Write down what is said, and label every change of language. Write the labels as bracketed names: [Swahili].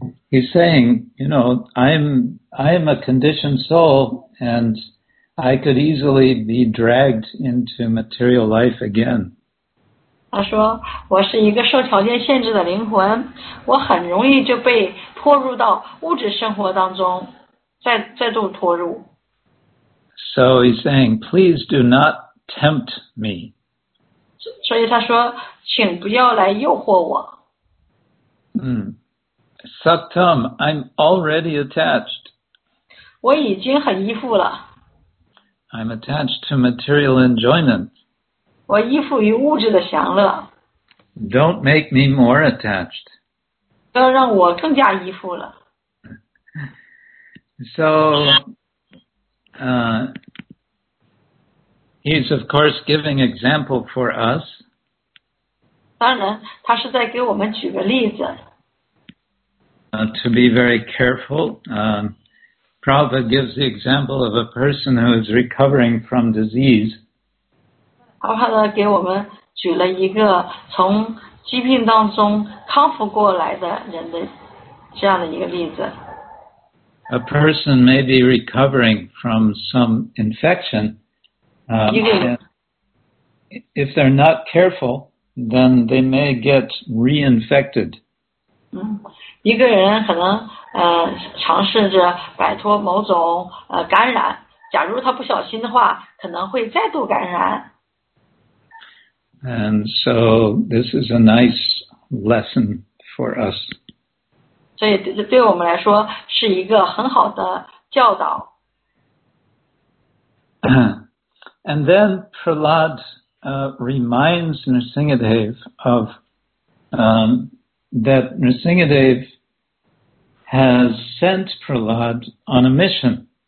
[English] He's saying, you know, I'm a conditioned soul and I could easily be dragged into material life again. [Chinese] 他说我是一个受条件限制的灵魂，我很容易就被拖入到物质生活当中，再度拖入。 [English] So he's saying, please do not tempt me. [Chinese] 所以他说请不要来诱惑我。 [English] Saktam, I'm already attached. [Chinese] 我已经很依附了。 [English] I'm attached to material enjoyment. [Chinese] 我依附于物质的享乐。 [English] Don't make me more attached. [Chinese] 不要让我更加依附了。 [English] So, he's of course giving example for us. [Chinese] 当然，他是在给我们举个例子。 [English] To be very careful. Prabhupada gives the example of a person who is recovering from disease. [Chinese] Prabhupada 给我们举了一个从疾病当中康复过来的人的这样的一个例子。 [English] A person may be recovering from some infection. If they're not careful, then they may get reinfected. [Chinese] 一个人可能尝试着摆脱某种感染，假如他不小心的话，可能会再度感染。 [English] And so this is a nice lesson for us. [Chinese] 所以对我们来说是一个很好的教导。 [English] And then Prahlad reminds Nrisimhadev of that Nrisimhadev has sent Prahlad on a mission.